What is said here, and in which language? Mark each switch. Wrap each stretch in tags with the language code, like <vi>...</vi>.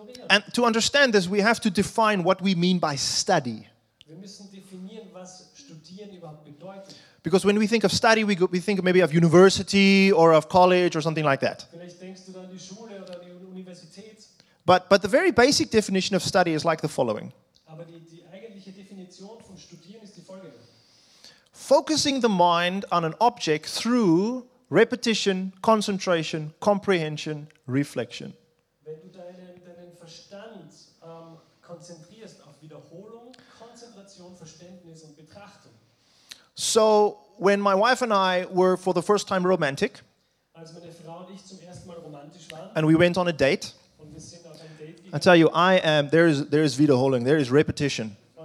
<en>And to understand this, we have to define what we mean by study.</en> <de>Wir müssen definieren, was studieren überhaupt bedeutet.</de> <en>Because when we think of study, we think maybe of university or of college or something like that.</en> <de>Vielleicht denkst du dann die Schule oder die Universität.</de> <en>But the very basic definition of study is like the following.</en> <de>Aber die eigentliche Definition von Studieren ist die folgende.</de> <en>Focusing the mind on an object through repetition, concentration, comprehension, reflection.</en> <de>Wenn du deinen Verstand konzentrierst auf Wiederholung, Konzentration, Verständnis und Betrachtung.</de> <en>So when my wife and I were for the first time romantic,</en> <de>als meine Frau und ich zum ersten Mal romantisch waren,</de> <en>and we went on a date,</en> <de>und wir sind auf ein Date gegangen,</de> <en>I tell you, I am, there is Wiederholung, there is repetition.</en>